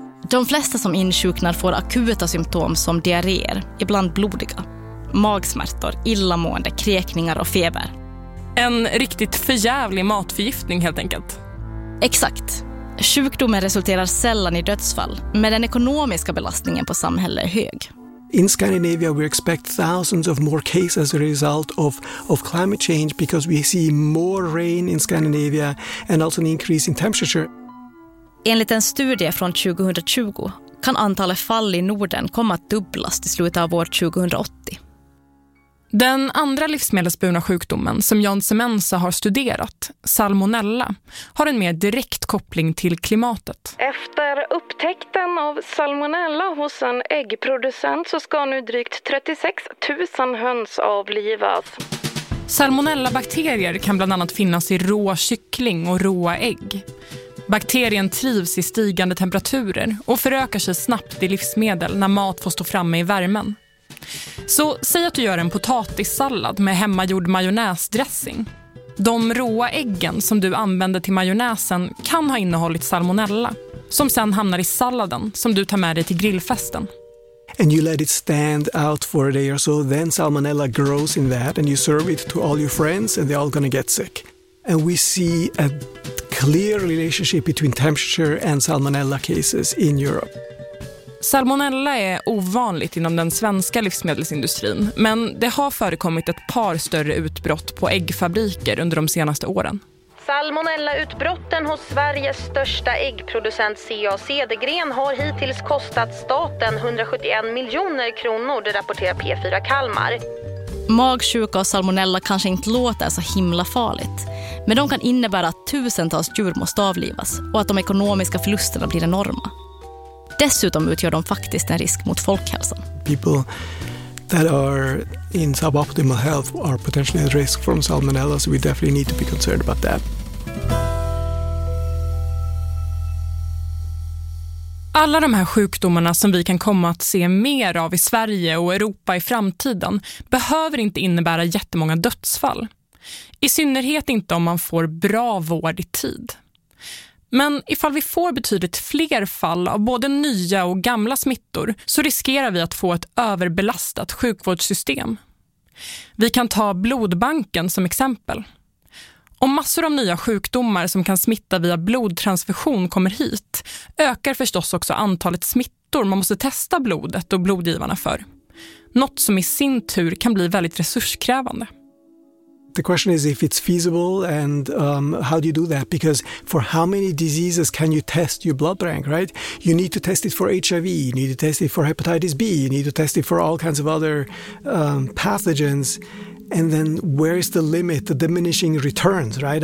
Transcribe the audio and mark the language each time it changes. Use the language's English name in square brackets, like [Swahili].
[Swedish] De flesta som insjuknar får akuta symptom som diarréer, ibland blodiga, magsmärtor, illamående, kräkningar och feber. En riktigt förjävlig matförgiftning helt enkelt. Exakt. Sjukdomen resulterar sällan i dödsfall, men den ekonomiska belastningen på samhället är hög. [English] In Scandinavia we expect thousands of more cases as a result of climate change because we see more rain in Scandinavia and also an increase in temperature. [Swedish] Enligt en studie från 2020 kan antalet fall i Norden komma att dubblas till slutet av år 2080. Den andra livsmedelsburna sjukdomen som Jansson Mensa har studerat, salmonella, har en mer direkt koppling till klimatet. Efter upptäckten av salmonella hos en äggproducent så ska nu drygt 36 000 höns avlivas. Salmonella-bakterier kan bland annat finnas i rå kyckling och råa ägg. Bakterien trivs i stigande temperaturer och förökar sig snabbt i livsmedel när mat får stå framme i värmen. Så säg att du gör en potatissallad med hemmagjord majonnäsdressing. De råa äggen som du använder till majonnäsen kan ha innehållit salmonella, som sen hamnar i salladen som du tar med dig till grillfesten. [English] And you let it stand out for a day or so, then salmonella grows in that and you serve it to all your friends and they're all gonna get sick. And we see a clear relationship between temperature and salmonella cases in Europe. [Swedish] Salmonella är ovanligt inom den svenska livsmedelsindustrin, men det har förekommit ett par större utbrott på äggfabriker under de senaste åren. Salmonella-utbrotten hos Sveriges största äggproducent CA Cedergren har hittills kostat staten 171 miljoner kronor, det rapporterar P4 Kalmar. Magsjuka och salmonella kanske inte låter så himla farligt, men de kan innebära att tusentals djur måste avlivas och att de ekonomiska förlusterna blir enorma. Dessutom utgör de faktiskt en risk mot folkhälsan. [English] People that are in suboptimal health are potentially at risk from salmonella, so we definitely need to be concerned about that. [Swedish] Alla de här sjukdomarna som vi kan komma att se mer av i Sverige och Europa i framtiden behöver inte innebära jättemånga dödsfall. I synnerhet inte om man får bra vård i tid. Men ifall vi får betydligt fler fall av både nya och gamla smittor så riskerar vi att få ett överbelastat sjukvårdssystem. Vi kan ta blodbanken som exempel. Om massor av nya sjukdomar som kan smitta via blodtransfusion kommer hit ökar förstås också antalet smittor man måste testa blodet och blodgivarna för. Något som i sin tur kan bli väldigt resurskrävande. [English] The question is if it's feasible and how do you do that? Because for how many diseases can you test your blood bank, right? You need to test it for HIV, you need to test it for hepatitis B, you need to test it for all kinds of other pathogens. And then where is the limit, the diminishing returns, right?